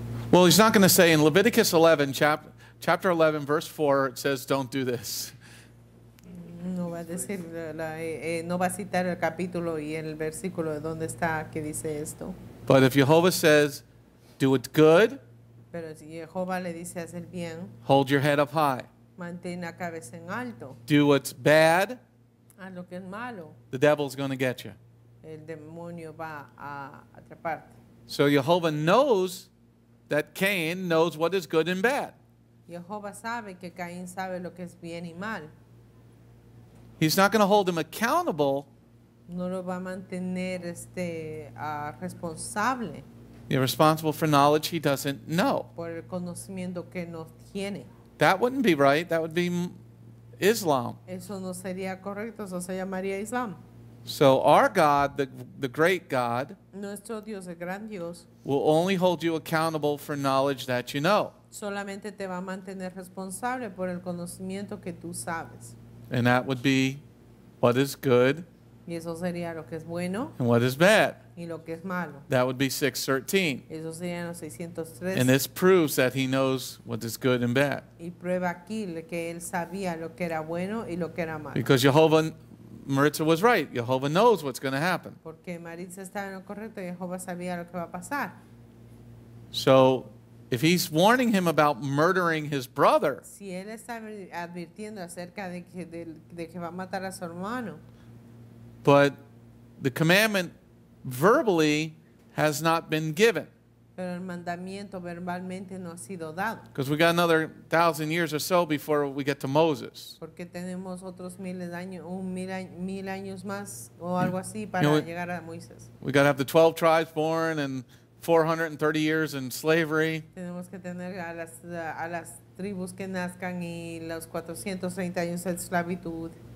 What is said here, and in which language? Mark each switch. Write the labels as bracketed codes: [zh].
[en] Well, he's not going to say in Leviticus 11, chapter 11, verse 4, it says, don't do this. [es] No va a decir, no va a citar el capítulo y el versículo de donde está que dice esto. [en] But if Jehovah says, do it good, [es] Pero si Jehová le dice haz el bien, [en] hold your head up high. [es] Mantén la cabeza en alto. [en] Do what's bad. [es] Haz lo que es malo. [en] The devil's going to get you. [es] El demonio va a atraparte. [en] So Jehovah knows that Cain knows what is good and bad. [es] Jehovah sabe que Caín sabe lo que es bien y mal. [en] He's not going to hold him accountable. [es] No lo va a mantener responsable. [en] He's responsible for knowledge he doesn't know. [es] Por el conocimiento que no tiene. [en] That wouldn't be right. That would be Islam. [es] Eso no sería correcto. Eso se llamaría Islam. [en] So our God, the great God, [es] nuestro Dios, el gran Dios, [en] will only hold you accountable for knowledge that you know. [es] Solamente te va a mantener responsable por el conocimiento que tú sabes. [en] And that would be what is good. [es] Y eso sería lo que es bueno. [en] And what is bad. [es] Y lo que es malo. [en] That would be 613. [es] Eso sería los 613. [en] And this proves that he knows what is good and bad. [es] Y prueba aquí que él sabía lo que era bueno y lo que era malo. [en] Because Jehovah, Maritza was right. Jehovah knows what's going to happen. [es] Porque Maritza estaba en lo correcto y Jehovah sabía lo que va a pasar. [en] So, if he's warning him about murdering his brother, [es] si él está advirtiendo acerca de que va a matar a su hermano, [en] but the commandment verbally has not been given. [es] Pero el mandamiento verbalmente no ha sido dado. [en] Because we got another 1,000 years or so before we get to Moses. [es] Porque tenemos otros miles de años, mil años más o algo así para llegar a Moisés. [en] We got to have the 12 tribes born and 430 years in slavery. [es] Tenemos que tener a las tribus que nazcan y los 430 años de esclavitud.